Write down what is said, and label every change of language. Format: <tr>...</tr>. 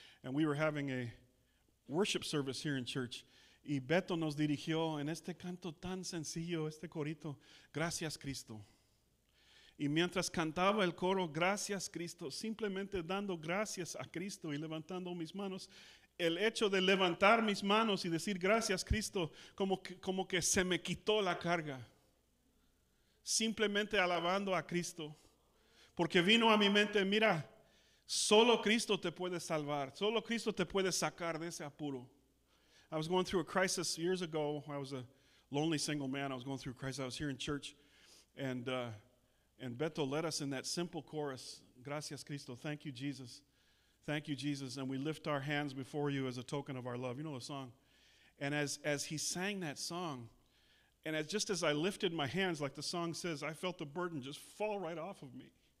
<en>And we were having a worship service here in church.</en> <es>Y Beto nos dirigió en este canto tan sencillo, este corito. Gracias, Cristo. Y mientras cantaba el coro, gracias Cristo, simplemente dando gracias a Cristo y levantando mis manos, el hecho de levantar mis manos y decir gracias Cristo, como que se me quitó la carga. Simplemente alabando a Cristo, porque vino a mi mente, mira, solo Cristo te puede salvar, solo Cristo te puede sacar de ese apuro.</es> <en>I was going through a crisis years ago. I was a lonely single man. I was going through a crisis. I was here in church, And Beto led us in that simple chorus,</en> <es>gracias Cristo,</es> <en>thank you Jesus, thank you Jesus, and we lift our hands before you as a token of our love. You know the song? And as he sang that song, and just as I lifted my hands, like the song says, I felt the burden just fall right off of me.</en>